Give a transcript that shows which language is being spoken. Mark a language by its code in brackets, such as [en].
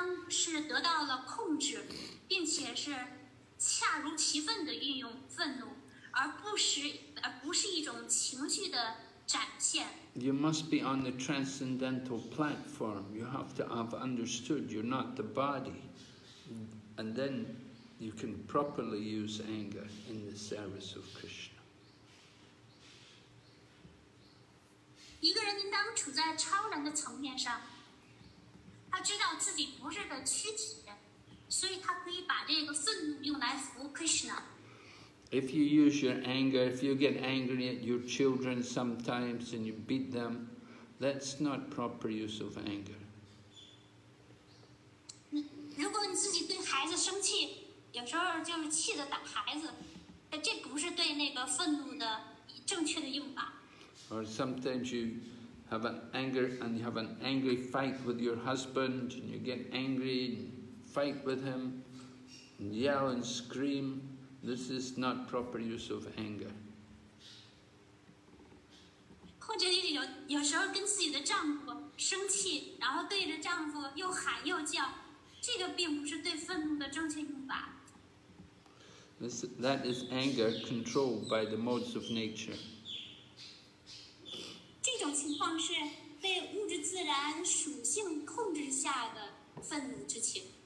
[zh] 是得到了控制，并且是恰如其分的运用愤怒，而不是一种情绪的展现。 [en] You must be on the transcendental platform. You have to have understood you're not the body, and then you can properly use anger in the service of Krishna. [zh] 一个人应当处在超然的层面上，他知道自己不是个躯体，所以他可以把这个愤怒用来服务 Krishna。 [en] If you use your anger, if you get angry at your children sometimes and you beat them, that's not proper use of anger. [zh] 如果你自己对孩子生气，有时候就是气得打孩子，这不是对那个愤怒的正确的用法。 [en] Or sometimes you have an anger and you have an angry fight with your husband and you get angry and fight with him and yell and scream. This is not proper use of anger. [zh] 或者有时候跟自己的丈夫生气，然后对着丈夫又喊又叫，这个并不是对愤怒的正确用法。 [en] That is anger controlled by the modes of nature. [zh] 这种情况是被物质自然属性控制下的愤怒之情。